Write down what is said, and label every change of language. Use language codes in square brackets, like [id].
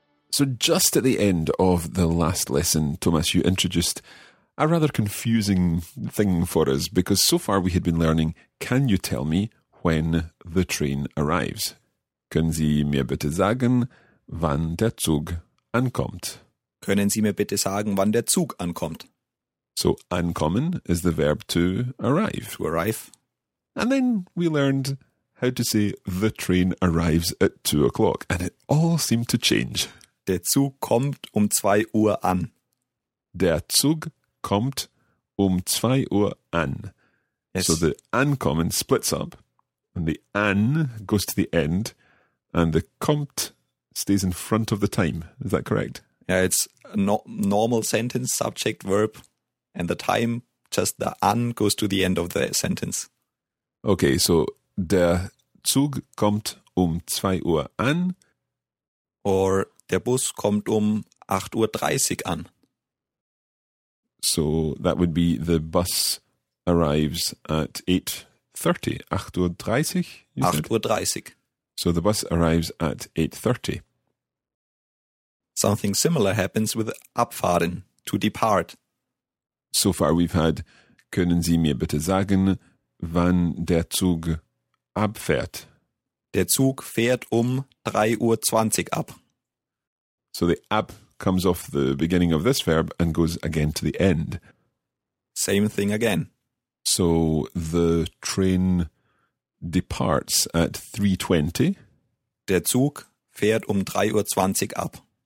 [en] So just at the end of the last lesson, Thomas, you introduced a rather confusing thing for us, because so far we had been learning, can you tell me when the train arrives? [de] Können Sie mir bitte sagen, wann der Zug ankommt? Können Sie mir bitte sagen, wann der Zug ankommt? [en] So ankommen is the verb to arrive. To arrive. And then we learned how to say the train arrives at 2 o'clock, and it all seemed to change. [de] Der Zug kommt um 2 Uhr an. Der Zug kommt um 2 Uhr an. [en] Yes. So the ankommen splits up, and the an goes to the end, and the kommt stays in front of the time. Is that correct? Yeah, it's normal sentence, subject, verb, and the time, just the an goes to the end of the sentence. Okay, so [de] der Zug kommt um 2 Uhr an. Or der Bus kommt um 8.30 Uhr an. [en] So that would be the bus arrives at 8.30. [de] 8.30 Uhr? 8.30 Uhr. [en] So the bus arrives at 8.30. Something similar happens with abfahren, to depart. So far we've had, [de] können Sie mir bitte sagen, wann der Zug abfährt? Der Zug fährt um 3.20 Uhr ab. [en] So the ab comes off the beginning of this verb and goes again to the end. Same thing again. So the train departs at 3.20. [de] Der Zug fährt um 3.20 Uhr ab.